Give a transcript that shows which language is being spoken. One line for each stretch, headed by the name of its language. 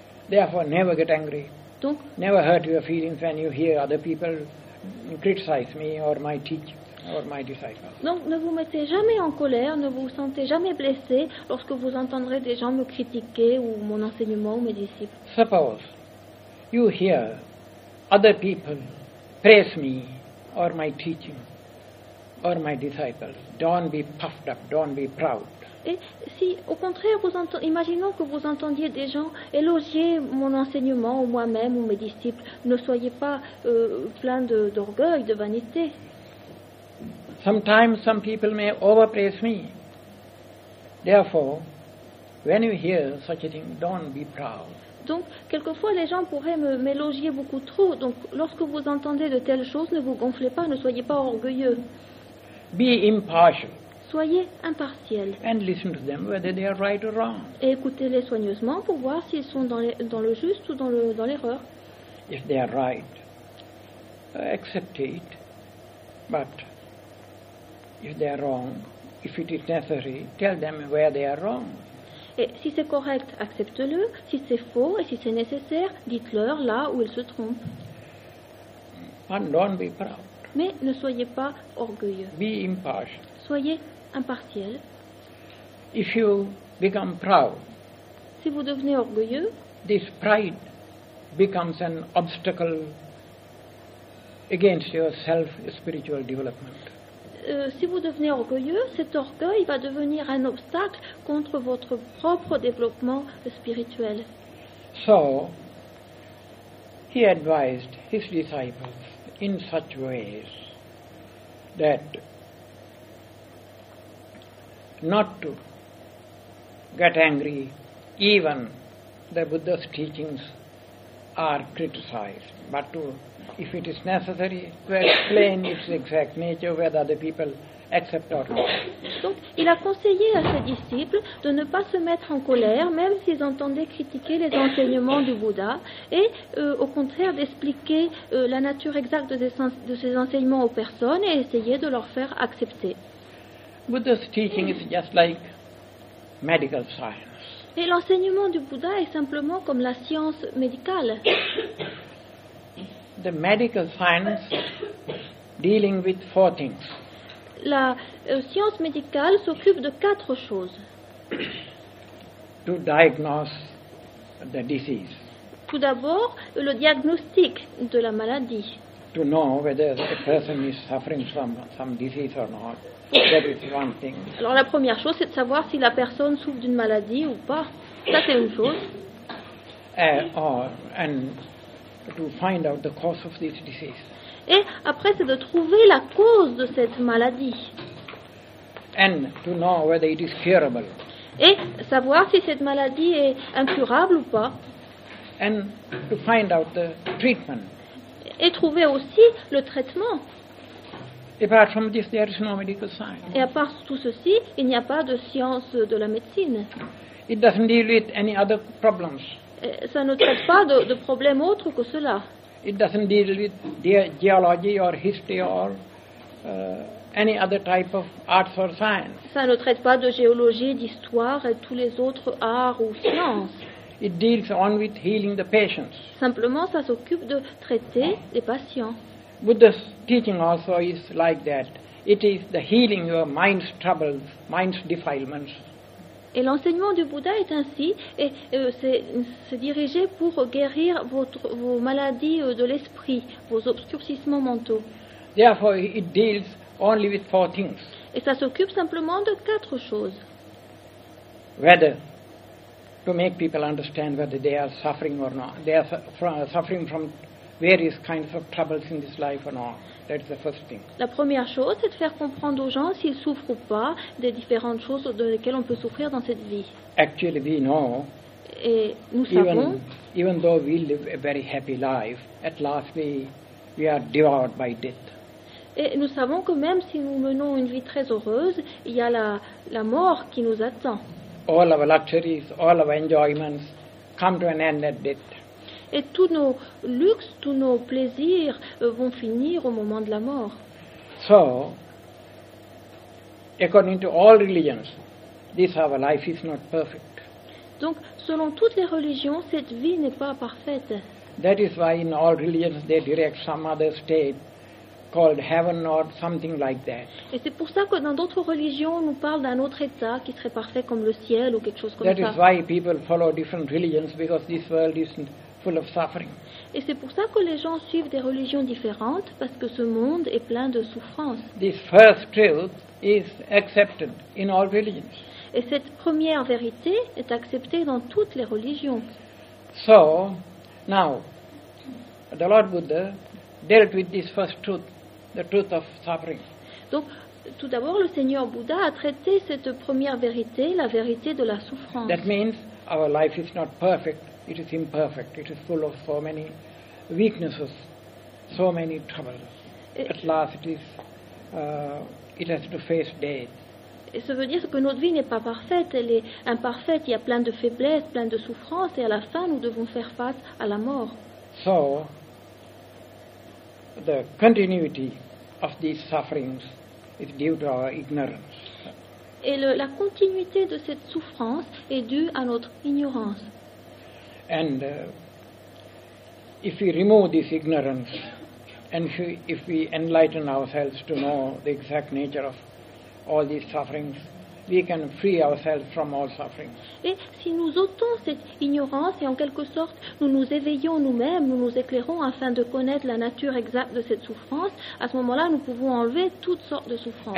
English: Therefore, never get angry.
French: Donc,
English: never hurt your feelings when you hear other people criticize me or my teacher. Or my disciples.
French: Donc, ne vous mettez jamais en colère, ne vous sentez jamais blessé lorsque vous entendrez des gens me critiquer ou mon enseignement ou mes disciples.
English: Suppose you hear other people praise me or my teaching or my disciples. Don't be puffed up, don't be proud.
French: Et si, au contraire, imaginons que vous entendiez des gens élogier mon enseignement, ou moi-même, ou mes disciples, ne soyez pas plein d'orgueil, de vanité.
English: Sometimes some people may overpraise me. Therefore, when you hear such a thing, don't be proud.
French: Donc, quelquefois, les gens pourraient m'élogier beaucoup trop. Donc, lorsque vous entendez de telles choses, ne vous gonflez pas, ne soyez pas orgueilleux.
English: Be impartial.
French: Soyez impartial.
English: And listen to them, whether they are right or wrong.
French: Et écoutez-les soigneusement pour voir s'ils sont dans le juste ou dans l'erreur.
English: If they are right, accept it. But if they are wrong, if it is necessary, tell them where they are wrong.
French: Et si c'est correct, accepte-le. Si c'est faux et si c'est nécessaire, dites-leur là où ils se trompent.
English: But don't be proud.
French: Mais ne soyez pas orgueilleux.
English: Be impartial.
French: Soyez impartial.
English: If you become proud,
French: si vous devenez orgueilleux,
English: this pride becomes an obstacle against your self-spiritual development.
French: Si vous devenez orgueilleux, cet orgueil va devenir un obstacle contre votre propre développement spirituel.
English: So, he advised his disciples in such ways that not to get angry even the Buddha's teachings are criticized, but to if it is necessary to explain its exact nature, whether the people accept or not.
French: Donc, il a conseillé à ses disciples de ne pas se mettre en colère, même s'ils entendaient critiquer les enseignements du Bouddha, et au contraire d'expliquer la nature exacte de ses enseignements aux personnes et essayer de leur faire accepter.
English: Buddha's teaching is just like medical science.
French: Et l'enseignement du Bouddha est simplement comme la science médicale.
English: The medical science dealing with four things.
French: La science médicale s'occupe de quatre choses.
English: To diagnose the disease.
French: Tout d'abord, le diagnostic de la maladie.
English: To know whether a person is suffering from some disease or not. That is one thing.
French: Alors la première chose, c'est de savoir si la personne souffre d'une maladie ou pas. Ça, c'est une chose.
English: To find out the cause of this disease.
French: Et après, c'est de trouver la cause de cette maladie.
English: And to know whether it is curable.
French: Et savoir si cette maladie est incurable ou pas.
English: And to find out the treatment.
French: Et trouver aussi le traitement.
English: Apart from this, there is no medical science.
French: Et à part tout ceci, il n'y a pas de science de la médecine.
English: It doesn't deal with any other problems.
French: Ça ne traite pas de problèmes autres que cela.
English: It doesn't deal with geology or history or any other type of arts or science.
French: Ça ne traite pas de géologie, d'histoire et tous les autres arts ou sciences.
English: It deals only with healing the patients.
French: Simplement, ça s'occupe de traiter les patients.
English: Buddha's teaching also is like that. It is the healing your mind's troubles, mind's defilements.
French: Et l'enseignement du Bouddha est ainsi, et c'est dirigé pour guérir vos maladies de l'esprit, vos obscurcissements mentaux.
English: Therefore, it deals only with four things.
French: Et ça s'occupe simplement de quatre choses.
English: Whether to make people understand whether they are suffering or not, they are suffering from various kinds of troubles in this life or not. That's the first thing.
French: La première chose, c'est de faire comprendre aux gens s'ils souffrent ou pas des différentes choses de lesquelles on peut souffrir dans cette vie.
English: Actually, we know.
French: Et nous savons.
English: Even though we live a very happy life, at last we are devoured by death.
French: Et nous savons que même si nous menons une vie très heureuse, il y a la mort qui nous attend.
English: All our luxuries, all our enjoyments, come to an end at death.
French: Et tous nos luxes, tous nos plaisirs vont finir au moment de la mort.
English: So, according to all religions, this our life is not perfect.
French: Donc, selon toutes les religions, cette vie n'est pas parfaite.
English: That is why in all religions they direct some other state called heaven or something like that.
French: Et c'est pour ça que dans d'autres religions, on nous parle d'un autre état qui serait parfait comme le ciel ou quelque chose comme
English: that
French: ça.
English: That is why people follow different religions because this world isn't full of suffering.
French: Et c'est pour ça que les gens suivent des religions différentes parce que ce monde est plein de souffrances.
English: This first truth is accepted in all religions.
French: Et cette première vérité est acceptée dans toutes les religions.
English: So, now, the Lord Buddha dealt with this first truth, the truth of suffering.
French: Donc, tout d'abord, le Seigneur Bouddha a traité cette première vérité, la vérité de la souffrance.
English: That means our life is not perfect, it is imperfect, it is full of so many weaknesses, so many troubles. At last it has to face death.
French: Et ça veut dire que notre vie n'est pas parfaite, elle est imparfaite, il y a plein de faiblesses, plein de souffrances, et à la fin nous devons faire face à la mort.
English: So, the continuity of these sufferings is due to our ignorance.
French: Et la continuité de cette souffrance est due à notre ignorance.
English: And if we remove this ignorance, and if we enlighten ourselves to know the exact nature of all these sufferings, we can free ourselves from all sufferings.
French: Et si nous ôtons cette ignorance et en quelque sorte nous nous éveillons nous-mêmes, nous nous éclairons afin de connaître la nature exacte de cette souffrance, à ce moment-là nous pouvons enlever toutes sortes de souffrances.